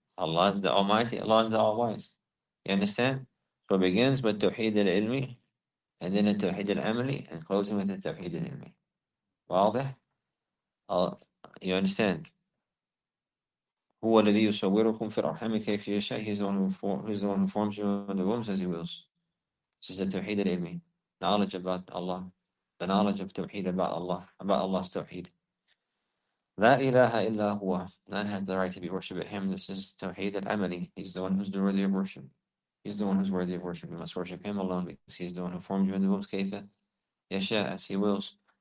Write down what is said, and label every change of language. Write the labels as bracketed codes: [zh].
[en] Allah is the Almighty, Allah is the All-Wise. You understand? So it begins with Tawheed Al-Ilmi, and then At-Tawheed Al-Amali, and closing with At-Tawheed Al-Ilmi. Wadih? You understand? [ar] هو الذي يصوركم في الأرحام كيف يشاء. [en] He's the one who forms you in the wombs as he wills. This is At-Tawheed Al-Ilmi. Knowledge about Allah. The knowledge of Tawheed about Allah, about Allah's Tawheed. [ar] La ilaha illa huwa. [en] None had the right to be worshipped at him. This is Tawheed al-Amali. He's the one who's worthy of worship. He's the one who's worthy of worship. You must worship him alone because he's the one who formed you in the wombs, [ar] kayfa yasha, [en] as he wills.